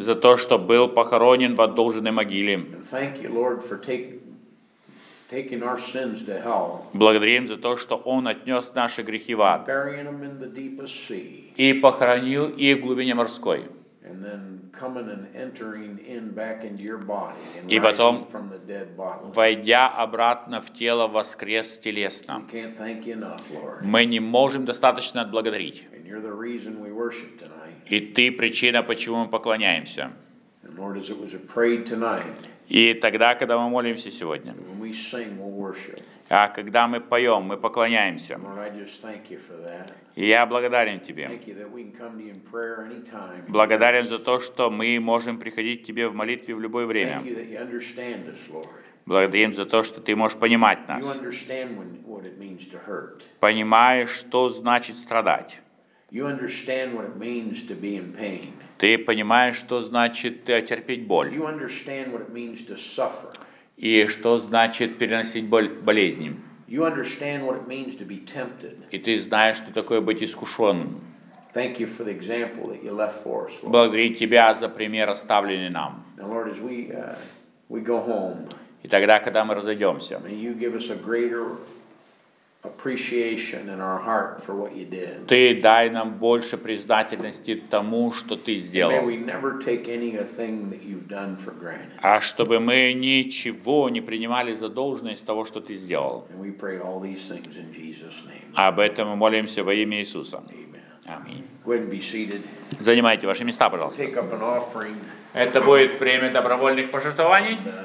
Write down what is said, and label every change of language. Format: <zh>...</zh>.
<ru>За то, что был похоронен в одолженной могиле.</ru> <en>And thank you, Lord, for taking our sins to hell.</en> <ru>Благодарим за то, что Он отнес наши грехи в ад.</ru> <en>Burying them in the deepest sea.</en> <ru>И похоронил их в глубине морской.</ru> <en>And then coming and entering in back into your body and</en> <ru>И потом,</ru> <en>rising from the dead body.</en> <ru>Войдя обратно в тело, воскрес телесно.</ru> <en>We can't thank you enough, Lord.</en> <ru>Мы не можем достаточно отблагодарить.</ru> <en>You're the reason we worship tonight.</en> <ru>И ты причина, почему мы поклоняемся.</ru> <en>And Lord, as it was prayed tonight.</en> <ru>И тогда, когда мы молимся сегодня.</ru> <en>When we sing, we worship.</en> <ru>А когда мы поем, мы поклоняемся.</ru> <en>Lord, I just thank you for that.</en> <ru>Я благодарен тебе.</ru> <en>Thank you that we can come to you in prayer anytime.</en> <ru>Благодарен за то, что мы можем приходить к тебе в молитве в любое время.</ru> <en>Thank you that you understand us, Lord.</en> <ru>Благодарим за то, что ты можешь понимать нас.</ru> <en>You understand what it means to hurt.</en> <ru>Понимаешь, что значит страдать.</ru> <en>You understand what it means to be in pain.</en> <ru>Ты понимаешь, что значит терпеть боль.</ru> <en>You understand what it means to suffer.</en> <ru>И что значит переносить боль болезни.</ru> <en>You understand what it means to be tempted.</en> <ru>И ты знаешь, что такое быть искушенным.</ru> <en>Thank you for the example that you left for us, Lord.</en> <ru>Благодарим тебя за пример, оставленный нам.</ru> <en>Now, Lord, as we go home.</en> <ru>И тогда, когда мы разойдемся.</ru> <en>May you give us a greater appreciation in our heart for what you did.</en> <ru>Ты дай нам больше признательности тому, что ты сделал.</ru> <en>May we never take anything that you've done for granted.</en> <ru>А чтобы мы ничего не принимали за должное из того, что ты сделал.</ru> <en>And we pray all these things in Jesus' name.</en> <ru>Об этом мы молимся во имя Иисуса.</ru> <en>Аминь. Go ahead and be seated.</en> <ru>Занимайте ваши места, пожалуйста.</ru> <en>Take up an offering.</en> <ru>Это будет время добровольных пожертвований.</ru>